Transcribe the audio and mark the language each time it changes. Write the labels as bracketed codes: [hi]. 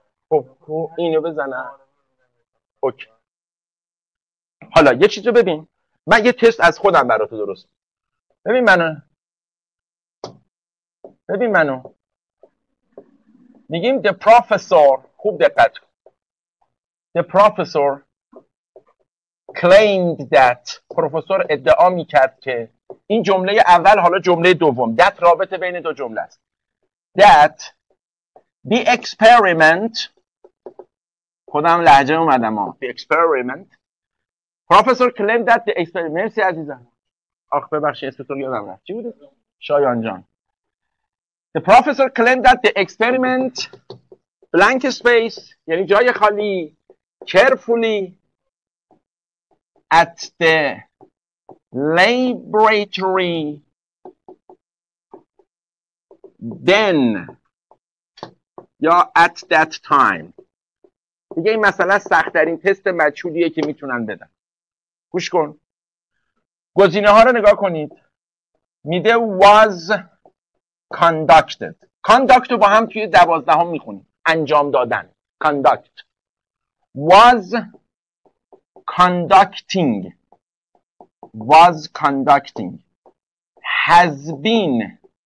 [fa] خب اینو بزنم. اوکی. حالا یه چیزو ببین، من یه تست از خودم برات درست. ببین منو میگیم [en] the professor. [fa] خوب دقت کن. [en] The professor claimed that. [fa] پروفسور ادعا میکرد که. این جمله اول، حالا جمله دوم. That رابطه بین دو جمله است. [en] That the experiment. [fa] خودم لحجه اومدم ها. [en] The experiment. Professor claimed that the experiment. [fa] مرسی عزیزم. آخ ببخشی اسمتون یادم رفت. چی بوده؟ شایان جان. [en] The professor claimed that the experiment blank space [fa] یعنی جای خالی [en] carefully at the laboratory then یا at that time. [fa] دیگه این مسئله سخت ترین تست مجهولیه که میتونن بدن. گوش کن، گزینه ها رو نگاه کنید. میده [en] was conducted. [fa] کانداکت رو با هم توی 12 هم میخونیم. انجام دادن. کانداکت. [en] Was conducting. Was conducting. Has been